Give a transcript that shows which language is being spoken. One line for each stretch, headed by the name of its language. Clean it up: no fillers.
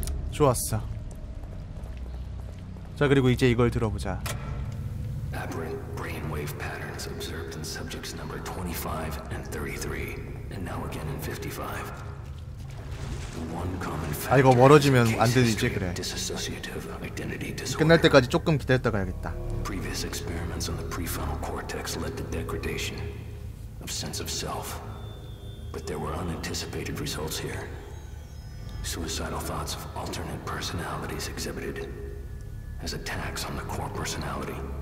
Korean: 좋았어. 자 그리고 이제 이걸 들어보자.
English: Aberrant brainwave patterns observed in subjects number 25 and 33, and now again in 55.
Korean: One common factor. 아 이거 멀어지면 안 되지 그래.
English: Dissociative identity disorder.
Korean: 끝날 때까지 조금 기다렸다 가야겠다.
English: Previous experiments on the prefrontal cortex led to degradation of sense of self, but there were unanticipated results here. Suicidal thoughts of alternate personalities exhibited as attacks on the core personality.